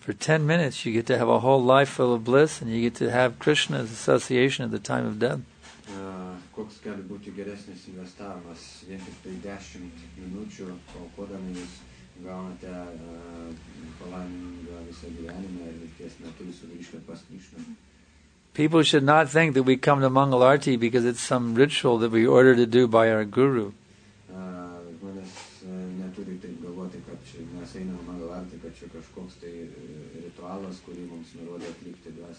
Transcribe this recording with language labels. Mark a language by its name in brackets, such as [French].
[English] For 10 minutes, you get to have a whole life full of bliss and you get to have Krishna's association at the time of death. [Lithuanian] Koks gali būti geresnis investavimas, vien tik tai 10 minučių, o kodami jūs gaunate palaimingą visą gyvenimą ir vykties metu jūsų grįžkite pas Krishna. [English] People should not think that we come to Mangal Arti because it's some ritual that we order to do by our guru. [Lithuanian] Žmonės neturi taip galvoti, kad mes einam Mangal Arti, kad čia kažkoks tai ritualas, kurį mums nurodė atlikti